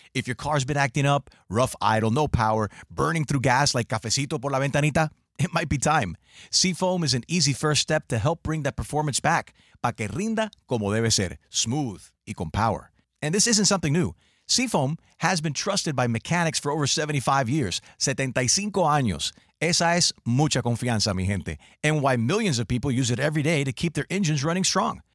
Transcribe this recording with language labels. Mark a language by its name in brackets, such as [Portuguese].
[English] If your car's been acting up, rough idle, no power, burning through gas like [Spanish] cafecito por la ventanita, [English] it might be time. Seafoam is an easy first step to help bring that performance back. [Spanish] Pa que rinda como debe ser, smooth y con power. [English] And this isn't something new. Seafoam has been trusted by mechanics for over 75 years. [Spanish] 75 años. Esa es mucha confianza, mi gente. [English] And why millions of people use it every day to keep their engines running strong.